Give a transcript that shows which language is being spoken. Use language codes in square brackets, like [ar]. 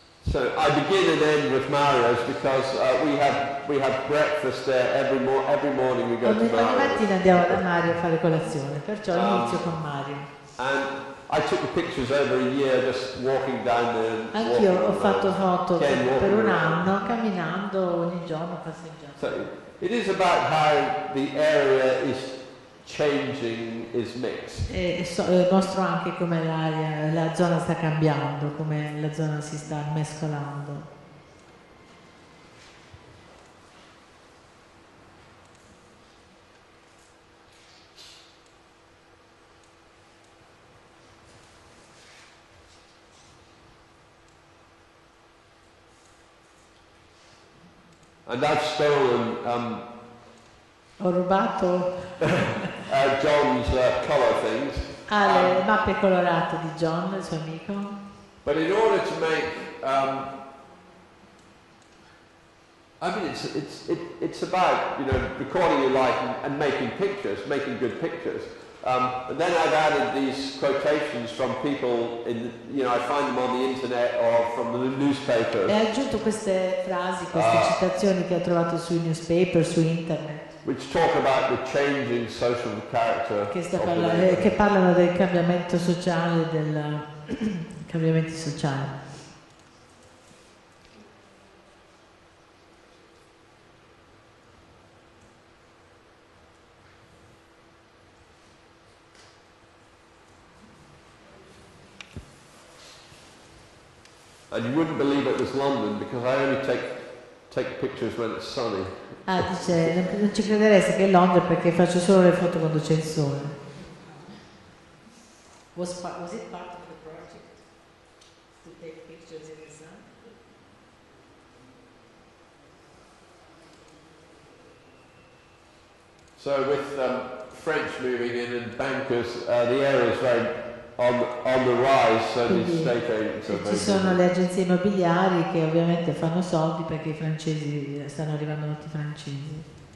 [en] So I begin and end with Mario's because we have breakfast there every morning we go to Mario's. [it] Ogni mattina andiamo da Mario a fare colazione, perciò inizio con Mario. [en] And I took the pictures over a year just walking down there. [it] Anch'io ho fatto foto per un anno camminando ogni giorno passeggiando. [en] So it is about how the area is changing, is mixed. [it] Mostro anche come l'area, la zona sta cambiando, come la zona si sta mescolando. [en] And I've stolen [it] ho rubato [en] John's color things. [it] Le mappe colorate di John, il suo amico. [en] But in order to make it's about, you know, recording your life and making pictures, making good pictures. And then I've added these quotations from people in, you know, I find them on the internet or from the newspapers. [it] E ha aggiunto queste frasi, queste citazioni che ha trovato sui newspaper, su internet. [en] Which talk about the changing social character. [it] Che parlano del cambiamento sociale, del cambiamento sociale. [en] And you wouldn't believe it was London because I only take pictures when it's sunny. [it] Ah, dice, non ci crederesti che è Londra perché faccio solo le foto quando c'è il sole. [en] Was it part of the project to take pictures in the sun? So with French moving in and bankers, the area is very on the rise, so [it] quindi, [en] these state agents are [it] ci sono le agenzie immobiliari che ovviamente fanno soldi perché I francesi stanno arrivando molti francesi.